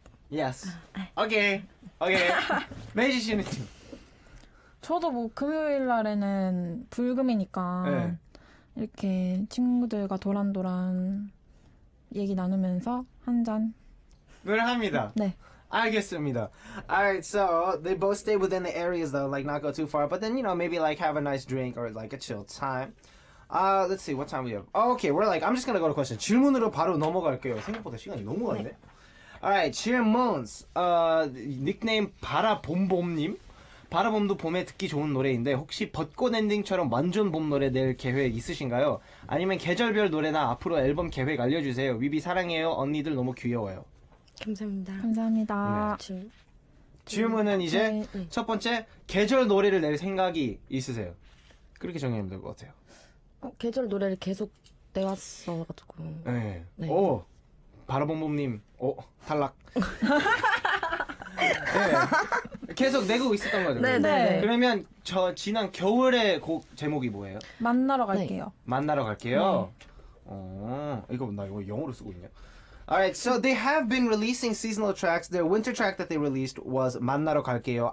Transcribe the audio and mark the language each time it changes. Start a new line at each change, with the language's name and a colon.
English: Yes.
Korean: 오케이. 오케이. 메이지 씨는 좀. 저도 뭐 금요일 날에는 불금이니까 네. 이렇게 친구들과 도란도란 얘기 나누면서 한 잔을 합니다. 네. 알겠습니다.
English: Alright, so they both stay within the areas though, like not go too far, but then you know maybe like have a nice drink or like a chill time. Let's see what time we have. Okay, we're like I'm just gonna go to question.
Korean: 질문으로 바로 넘어갈게요. 생각보다 시간이 너무 가네.
English: Alright,
Korean: 질문. Nickname 바라봄봄님. 바라봄도 봄에 듣기 좋은 노래인데 혹시 벚꽃 엔딩처럼 완전 봄 노래 낼 계획 있으신가요? 아니면 계절별 노래나 앞으로 앨범 계획 알려주세요. 위비 사랑해요. 언니들 너무 귀여워요. 감사합니다. 감사합니다. 네. 질문은 이제 네. 첫 번째 계절 노래를 낼 생각이 있으세요? 그렇게 정리하면 될 것 같아요. 계절 노래를 계속 내왔어가지고. 네. 네. 오 바라봄봄님 오 탈락. 네. 계속 내고 있었던 거죠. 네, 네. 그러면 저 지난 겨울의 곡 제목이 뭐예요? 만나러 갈게요. 네. 만나러 갈게요. 네. 이거 나 이거 영어로 쓰고 있냐?
English: Alright, so they have been releasing seasonal tracks. Their winter track that they released was 만나러 갈게요.